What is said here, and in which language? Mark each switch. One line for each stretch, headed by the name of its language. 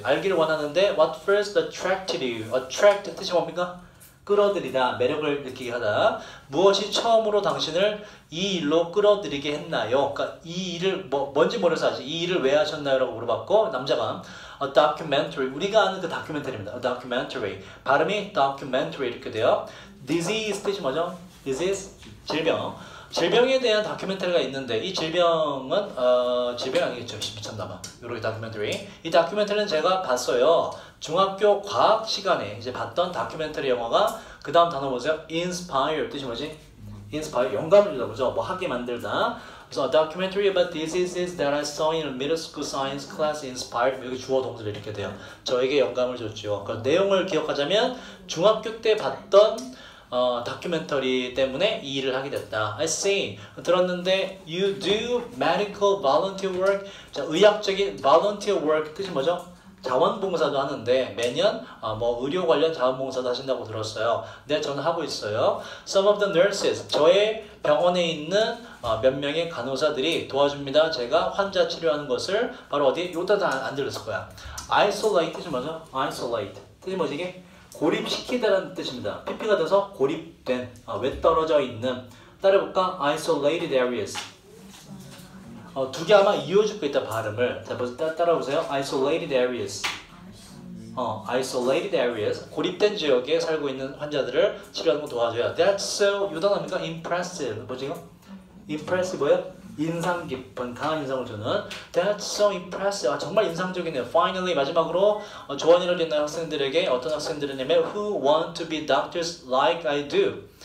Korean: 알기를 원하는데
English: What first attracted you?
Korean: Attract 뜻이 뭡니까? 끌어들이다. 매력을 느끼게 하다. 무엇이 처음으로 당신을 이 일로 끌어들이게 했나요? 그러니까 이 일을 뭔지 모르겠어. 아직 이 일을 왜 하셨나요? 라고 물어봤고 남자가
English: A documentary.
Korean: 우리가 아는 그 다큐멘터리입니다.
English: A documentary.
Korean: 발음이 documentary 이렇게 돼요. Disease 뜻이 뭐죠? Disease. 질병. 질병에 대한 다큐멘터리가 있는데 이 질병은 질병 아니겠죠? 미쳤나봐. 이렇게 다큐멘터리. 이 다큐멘터리는 제가 봤어요. 중학교 과학 시간에 이제 봤던 다큐멘터리 영화가 그 다음 단어 보세요. Inspire 뜻이 뭐지? Inspire 영감을 주다 그죠? 뭐 하게 만들다.
English: So a documentary about diseases that I saw in a middle school science class inspired
Korean: 여기 주어 동사를 이렇게 돼요. 저에게 영감을 줬죠. 그 내용을 기억하자면 중학교 때 봤던 다큐멘터리 때문에 이 일을 하게 됐다.
English: I see.
Korean: 들었는데
English: You do medical volunteer work.
Korean: 자, 의학적인 volunteer work 뜻이 뭐죠? 자원봉사도 하는데 매년 의료 관련 자원봉사도 하신다고 들었어요. 네, 저는 하고 있어요.
English: Some of the nurses,
Korean: 저의 병원에 있는 몇 명의 간호사들이 도와줍니다. 제가 환자 치료하는 것을 바로 어디? 이따가 안 들렸을 거야. Isolate 뜻이 뭐죠? Isolate 뜻이 뭐지? 이게 고립시키다라는 뜻입니다. PP가 돼서 고립된, 외떨어져 있는. 따라해볼까?
English: Isolated areas.
Korean: 두 개 아마 이어줄 거 있다, 발음을. 따라오세요.
English: Isolated areas. Isolated areas.
Korean: 고립된 지역에 살고 있는 환자들을 치료하는 거 도와줘요.
English: That's so,
Korean: 요 단어 아닙니까? Impressive. 뭐지? Impressive 뭐예요? 인상 깊은, 강한 인상을 주는.
English: That's so impressive.
Korean: 정말 인상적이네요.
English: Finally,
Korean: 마지막으로 조언이라도 있는 학생들에게 어떤 학생들이냐면
English: Who want to be doctors like I do?